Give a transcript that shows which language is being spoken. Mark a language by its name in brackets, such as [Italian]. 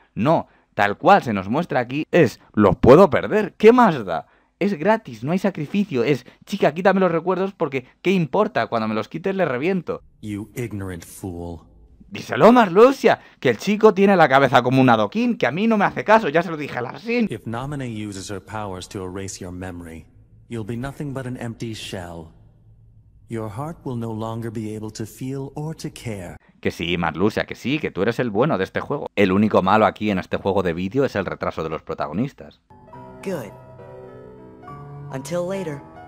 [Spanish] No, tal cual se nos muestra aquí es, los puedo perder, ¿qué más da? Es gratis, no hay sacrificio, es, chica, quítame los recuerdos porque ¿qué importa? Cuando me los quites le reviento. [English] You ignorant fool. [Spanish] Díselo, Marluxia, que el chico tiene la cabeza como un adoquín, que a mí no me hace caso, ya se lo dije a Lakshin. [English] If Naminé uses her powers to erase your memory, you'll be nothing but an empty shell. Your heart will no longer be able to feel or to care. [Spanish] Que sí, Marluxia, que sí, que tú eres el bueno de este juego. El único malo aquí en este juego de vídeo es el retraso de los protagonistas. [English] Good. Until later.